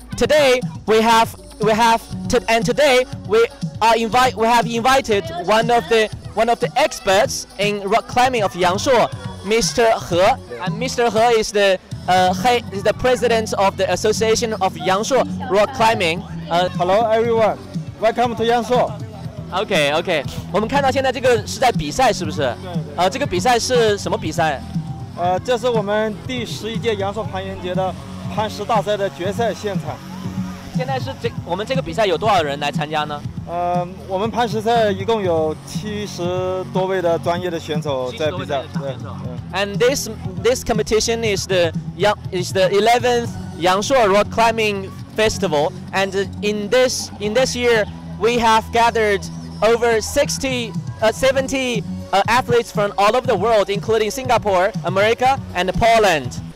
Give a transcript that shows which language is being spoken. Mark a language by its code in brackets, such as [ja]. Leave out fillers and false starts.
[en] Today we have invited one of the experts in rock climbing of Yangshuo, Mr. He. And Mr. He is the president of the Association of Yangshuo Rock Climbing. Hello everyone. Welcome to Yangshuo. OK. [zh] 我们看到现在这个是在比赛，是不是？对对。这个比赛是什么比赛？这是我们第十一届阳朔攀岩节的攀石大赛的决赛现场。现在是我们这个比赛有多少人来参加呢？我们攀石赛一共有70多位的专业的选手在比赛。对。 [en] And this competition is the 11th 阳朔 Rock Climbing Festival, and in this year. We have gathered over 70 athletes from all over the world, including Singapore, America, and Poland.